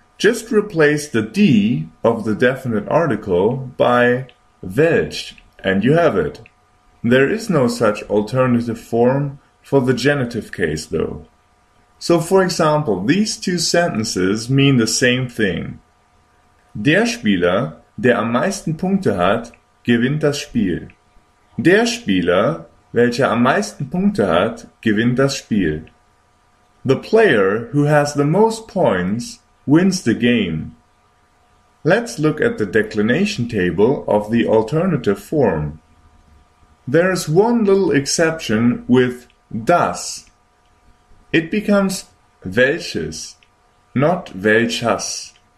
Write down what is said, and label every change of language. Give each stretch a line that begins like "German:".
English: Just replace the D of the definite article by welch, and you have it. There is no such alternative form for the genitive case, though. So, for example, these two sentences mean the same thing.
German: Der Spieler, der am meisten Punkte hat, gewinnt das Spiel. Der Spieler, welcher am meisten Punkte hat, gewinnt das Spiel.
English: The player who has the most points wins the game. Let's look at the declination table of the alternative form. There is one little exception with das. It becomes welches, not welchas.